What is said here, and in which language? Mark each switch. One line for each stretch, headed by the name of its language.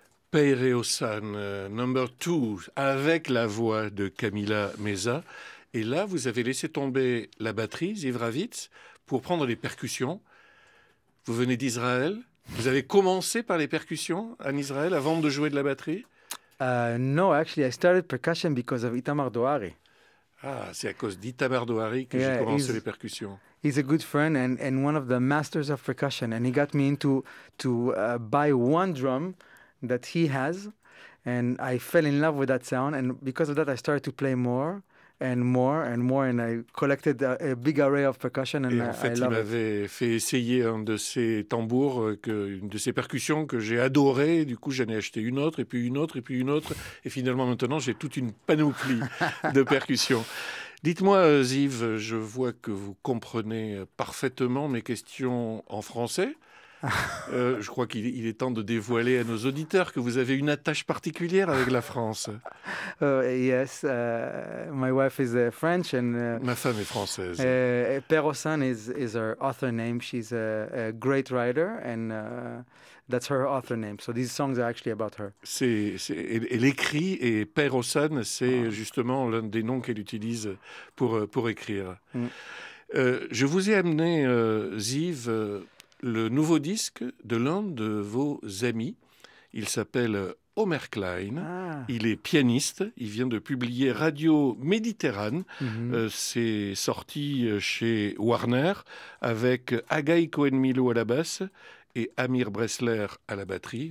French: Peyreosan,
English: number 2,
French: avec la voix de Camila Meza. Et là, vous avez laissé tomber la batterie, Ziv Ravitz, pour prendre les percussions. Vous venez d'Israël. Vous avez commencé par les percussions en Israël avant de jouer de la batterie?
English: No, actually, I started percussion because of Itamar Doari.
French: Ah, c'est à cause d'Itamar Doari que j'ai commencé les percussions.
English: He's a good friend and one of the masters of percussion. And he got me into buy one drum that he has, and I fell in love with that sound, and because of that I started to play more and more and more, and I collected a big array of percussion, and I love it.
French: Et en fait, il m'avait fait essayer un de ces tambours, une de ces percussions que j'ai adoré, du coup j'en ai acheté une autre, et puis une autre, et puis une autre, et finalement maintenant j'ai toute une panoplie de percussions. Dites-moi, Ziv, je vois que vous comprenez parfaitement mes questions en français. Je crois qu'il est temps de dévoiler à nos auditeurs que vous avez une attache particulière avec la France.
English: Yes, my wife is French and
French: ma femme est française.
English: Peyreosan is her author name. She's a great writer and that's her author name. So these songs are actually about her.
French: Elle écrit et Peyreosan, c'est justement l'un des noms qu'elle utilise pour écrire. Je vous ai amené Ziv. Le nouveau disque de l'un de vos amis, il s'appelle Omer Klein, il est pianiste, il vient de publier Radio Méditerranée, c'est sorti chez Warner avec Agai Cohen-Milo à la basse et Amir Bressler à la batterie.